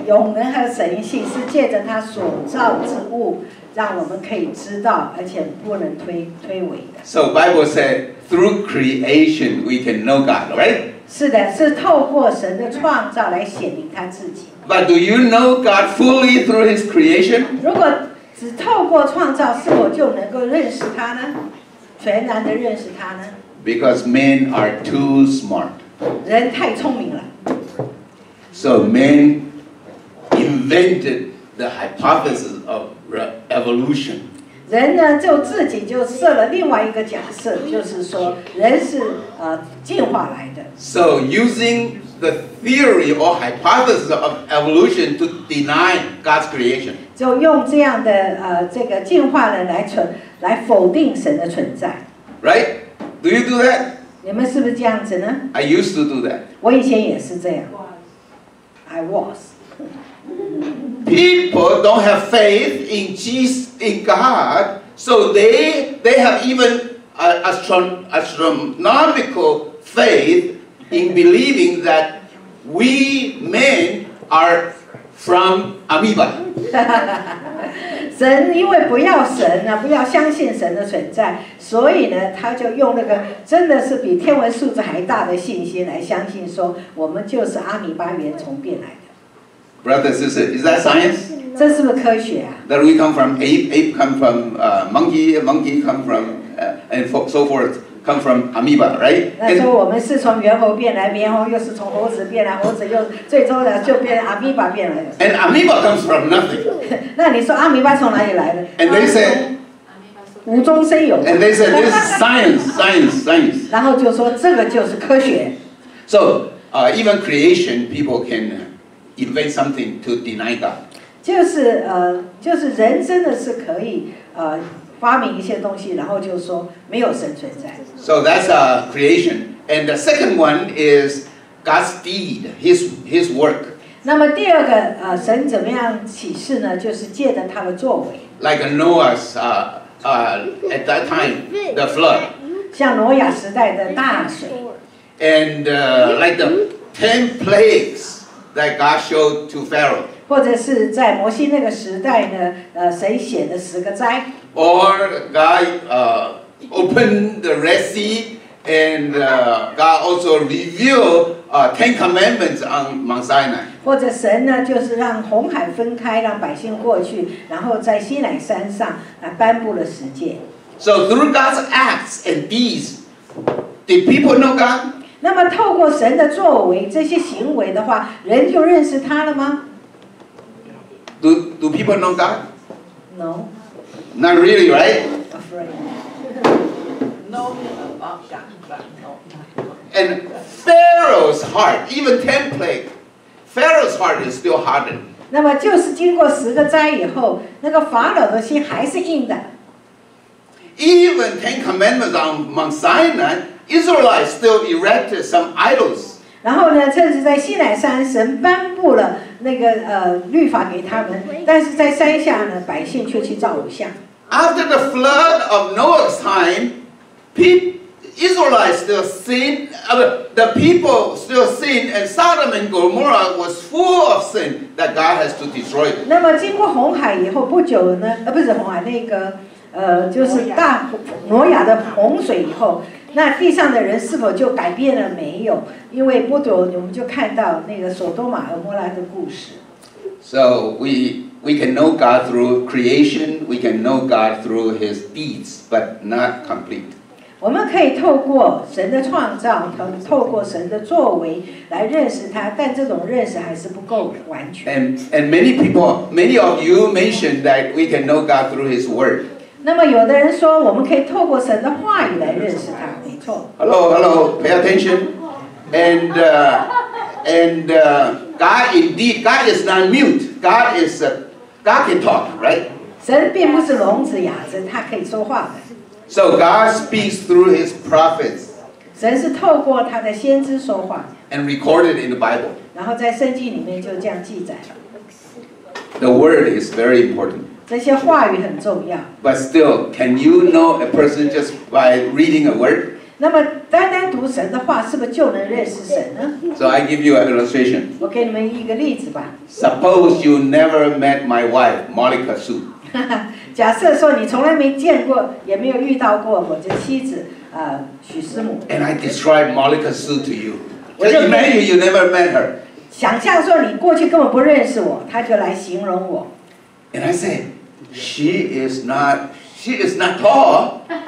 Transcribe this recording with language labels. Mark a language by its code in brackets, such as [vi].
[zh] 永能和神性是借着他所造之物，让我们可以知道，而且不能推诿的。 [en] So Bible said, through creation we can know God, right? [zh] 是的，是透过神的创造来显明他自己。 [en] But do you know God fully through His creation? [zh] 如果只透过创造，是否就能够认识他呢？全然的认识他呢 [en] ？Because men are too smart. [zh] 人太聪明了。 [en] So men invented the hypothesis of evolution. [zh] 人呢，就自己就设了另外一个假设，就是说人是进化来的。 [en] So using the theory or hypothesis of evolution to deny God's creation. [zh] 就用这样的这个进化论来否定神的存在。 [en] Right? Do you do that? [zh] 你们是不是这样子呢 [en] ？I used to do that. [zh] 我以前也是这样。 [en] I was. People don't have faith in Jesus in God, so they have even astronomical faith. In believing that we men are from amoeba. [zh] 神因为不要神呢，不要相信神的存在，所以呢，他就用那个真的是比天文数字还大的信心来相信说，我们就是阿米巴原虫变来的。 [en] Brother, sister, is that science? [zh] 这是不是科学啊 [en] ？That we come from ape, ape come from monkey come from and so forth come from amoeba, right? [zh] 那说我们是从猿猴变来，猿猴又是从猴子变来，猴子又最终呢就变成 amoeba 变来的。 [en] And amoeba comes from nothing. [zh] 那你说阿米巴从哪里来的 [en] ？And they say. [zh] 无中生有。 [en] And they say this is science. [zh] 然后就说这个就是科学。 [en] So, even creation people can. Invent something to deny God. [zh] 就是人真的是可以发明一些东西，然后就说没有神存在。 [en] So that's a creation, and the second one is God's deed, His work. [zh] 那么第二个神怎么样启示呢？就是借着他的作为。 [en] Like Noah's at that time the flood. [zh] 像挪亚时代的大水。 [en] And like the 10 plagues. That God showed to Pharaoh. [zh] 或者是在摩西那个时代呢，神写的十个灾。 [en] Or God opened the Red Sea, and God also revealed Ten Commandments on Mount Sinai. [zh] 或者神呢，就是让红海分开，让百姓过去，然后在西乃山上来颁布了十诫。 [en] So through God's acts and deeds, did people know God? [zh] 那么透过神的作为这些行为的话，人就认识他了吗 [en] ？Do people know God? No. Not really, right? Afraid. Know about God, but no. And Pharaoh's heart, even 10 plagues, Pharaoh's heart is still hardened. [zh] 那么就是经过十个灾以后，那个法老的心还是硬的。 [en] Even 10 commandments on Mount Sinai. Israelites still erected some idols. [zh] 然后呢，甚至在西乃山，神颁布了那个律法给他们，但是在山下呢，百姓却去造偶像。 [en] After the flood of Noah's time, Israelites still sin. The people still sin, and Sodom and Gomorrah was full of sin that God has to destroy. [zh] 那么经过红海以后不久呢？不是红海，那个就是大挪亚的洪水以后。那地上的人是否就改变了？没有，因为不久我们就看到那个索多玛和摩拉的故事。 [en] So we can know God through creation, we can know God through His deeds, but not complete. [zh] 我们可以透过神的创造，透过神的作为来认识他，但这种认识还是不够完全。 [en] And many people, many of you mentioned that we can know God through His word. [zh] 那么有的人说我们可以透过神的话语来认识他，没错。 [en] Hello, pay attention. And God is not mute. God can talk, right? [zh] 神并不是聋子哑子，他可以说话的。 [en] So God speaks through his prophets. [zh] 神是透过他的先知说话。 [en] And recorded in the Bible. [zh] 然后在圣经里面就这样记载了。 [en] The word is very important. [zh] 这些话语很重要。 [en] But still, can you know a person just by reading a word? [zh] 那么单单读神的话，是不是就能认识神呢？ [en] So I give you an illustration. [zh] 我给你们一个例子吧。 [en] Suppose you never met my wife, Monica Su. [zh] 假设说你从来没见过，也没有遇到过我的妻子，许师母。 [en] And I describe Monica Su to you. Just imagine you never met her. [zh] 想象说你过去根本不认识我，他就来形容我。 [en] And I said, she is not tall.